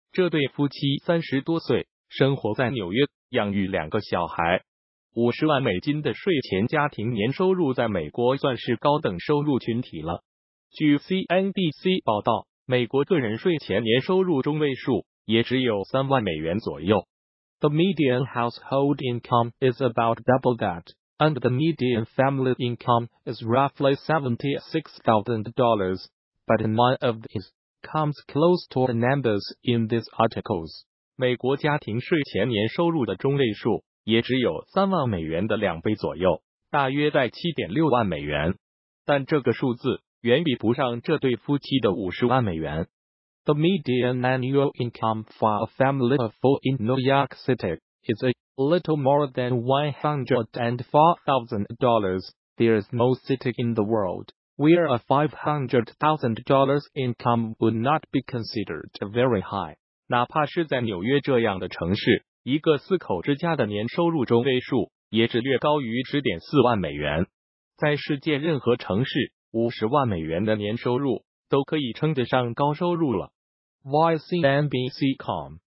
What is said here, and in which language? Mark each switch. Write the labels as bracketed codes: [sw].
[zh] 这对夫妻30多岁，生活在纽约，养育两个小孩。 50万美金的税前家庭年收入在美国算是高等收入群体了。据 CNBC 报道，美国个人税前年收入中位数也只有3万美元左右。 [en] The median household income is about double that, and the median family income is roughly $76,000, but none of these comes close to the numbers in these articles. [zh] 美国家庭税前年收入的中位数也只有3万美元的两倍左右，大约在 7.6 万美元。但这个数字远比不上这对夫妻的50万美元。 [en] The median annual income for a family of four in New York City is a little more than $104,000. There is no city in the world where a $500,000 income would not be considered very high. [zh] 哪怕是在纽约这样的城市，一个四口之家的年收入中位数也只略高于 10.4 万美元。在世界任何城市，50万美元的年收入都可以称得上高收入了。 [en] VoiceNBC.com